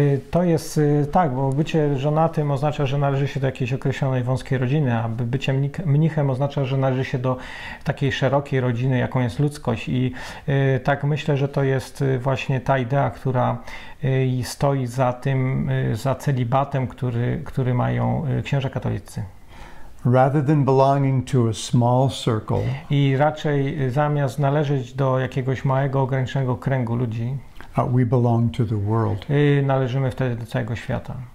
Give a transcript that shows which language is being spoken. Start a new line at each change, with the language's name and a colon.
Polish: To jest tak, bo bycie żonatym oznacza, że należy się do jakiejś określonej wąskiej rodziny, a bycie mnichem oznacza, że należy się do takiej szerokiej rodziny, jaką jest ludzkość. I tak myślę, że to jest właśnie ta idea, która stoi za tym, za celibatem, który mają księża katolicy.
English: Rather than belonging to a small circle,
Polish: i raczej zamiast należeć do jakiegoś małego, ograniczonego kręgu ludzi,
English: we belong to the world.
Polish: I należymy wtedy do całego świata.